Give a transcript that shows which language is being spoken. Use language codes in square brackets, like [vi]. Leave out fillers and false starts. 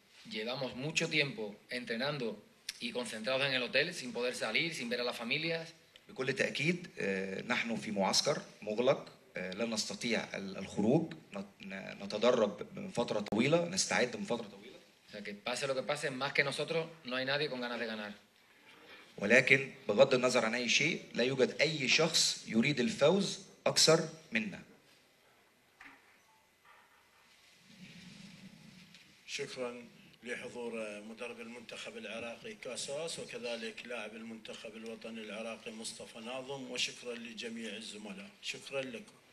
[es] Llevamos mucho tiempo entrenando y concentrados en el hotel sin poder salir sin ver a las familias. [ar] بكل تأكيد نحن في معسكر مغلق لا نستطيع الخروج نتدرب من فترة طويلة نستعد من فترة طويلة. [es] O sea, que pase lo que pase más que nosotros no hay nadie con ganas de ganar. [ar] ولكن بغض النظر عن أي شيء لا يوجد أي شخص يريد الفوز أكثر منا. شكرا لحضور مدرب المنتخب العراقي كاساس وكذلك لاعب المنتخب الوطني العراقي مصطفى ناظم وشكرا لجميع الزملاء. شكرا لكم.